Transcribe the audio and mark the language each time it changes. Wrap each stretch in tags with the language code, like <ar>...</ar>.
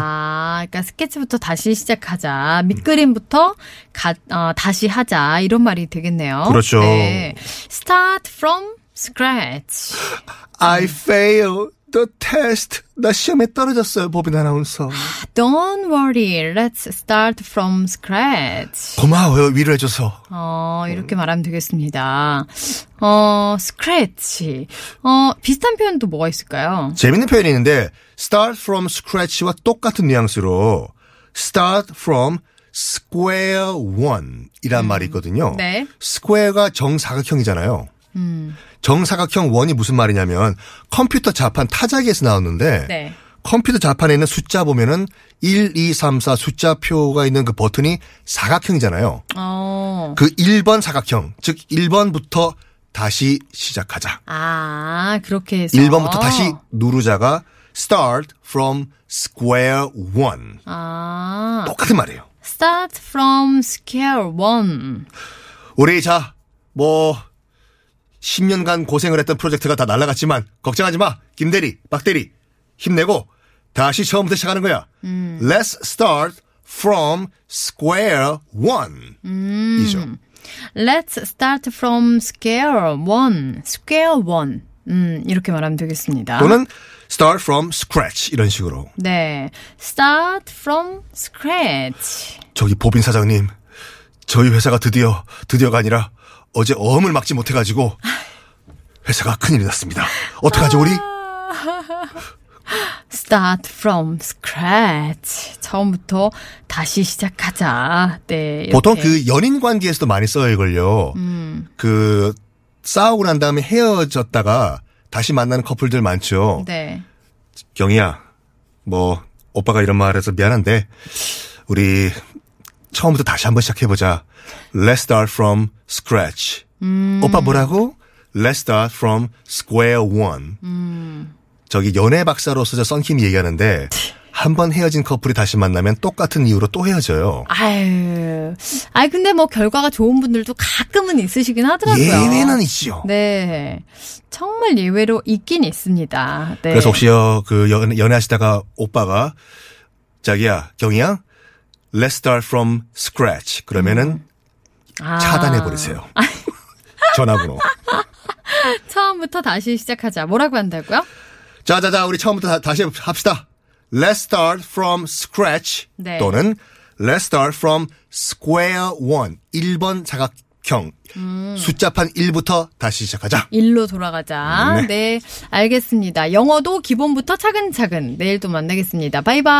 <ko>아, 그러니까 스케치부터 다시 시작하자, 밑그림부터 다시 하자 이런 말이 되겠네요. 그렇죠. 네.</ko> <en>Start from scratch. I failed the test.</en> <ko>나 시험에 떨어졌어요, 보빈 아나운서.</ko> <en>Don't worry. Let's start from scratch.</en> <ko>고마워요, 위로 해줘서. 이렇게 말하면 되겠습니다.</ko> <en>scratch.</en> <ko>비슷한 표현도 뭐가 있을까요? 재밌는 표현이 있는데,</ko> <en>start from scratch</en> <ko>와 똑같은 뉘앙스로,</ko> <en>start from square one</en> <ko>이란 말이 있거든요. 네. square가 정사각형이잖아요. 정사각형 원이 무슨 말이냐면 컴퓨터 자판 타자기에서 나왔는데 네. 컴퓨터 자판에 있는 숫자 보면은 1, 2, 3, 4 숫자표가 있는 그 버튼이 사각형이잖아요. 그 1번 사각형, 즉 1번부터 다시 시작하자. 아, 그렇게 해서. 1번부터 다시 누르자가</ko> <en>start from square one.</en> <ko>아. 똑같은 말이에요.</ko> <en>Start from square one.</en> <ko>우리 자, 뭐. 10년간 고생을 했던 프로젝트가 다 날아갔지만 걱정하지 마. 김 대리, 박 대리 힘내고 다시 처음부터 시작하는 거야.</ko> <en>Let's start from square one.</en> <ko>이죠.</ko> <en>Let's start from square one. Square one.</en> <ko>이렇게 말하면 되겠습니다. 또는</ko> <en>start from scratch</en> <ko>이런 식으로. 네.</ko> <en>Start from scratch.</en> <ko>저기 보빈 사장님, 저희 회사가 드디어가 아니라 어제 어음을 막지 못해가지고 회사가 큰일이 났습니다. 어떡하죠 우리?</ko> <en>Start from scratch.</en> <ko>처음부터 다시 시작하자. 네. 이렇게. 보통 그 연인 관계에서도 많이 써요 이걸요. 그 싸우고 난 다음에 헤어졌다가 다시 만나는 커플들 많죠. 네. 경희야, 뭐 오빠가 이런 말해서 미안한데 우리 처음부터 다시 한번 시작해보자.</ko> <en>Let's start from scratch.</en> <ko>오빠 뭐라고?</ko> <en>Let's start from square one.</en> <ko>저기 연애 박사로서 저 썬킴이 얘기하는데 한번 헤어진 커플이 다시 만나면 똑같은 이유로 또 헤어져요. 아유, 근데 뭐 결과가 좋은 분들도 가끔은 있으시긴 하더라고요. 예외는 있죠. 네, 정말 예외로 있긴 있습니다. 네. 그래서 혹시요 그 연애하시다가 오빠가 자기야 경희야</ko> <en>Let's start from scratch.</en> <ko>그러면은 차단해 버리세요. 전화번호. 처음부터 다시 시작하자. 뭐라고 한다고요? 자, 우리 처음부터 다시 합시다.</ko> <en>Let's start from scratch.</en> <ko>네. 또는</ko> <en>Let's start from square one.</en> <ko>1번 사각형. 숫자판 1부터 다시 시작하자. 1로 돌아가자. 네. 알겠습니다. 영어도 기본부터 차근차근. 내일 또 만나겠습니다. 바이바이.</ko>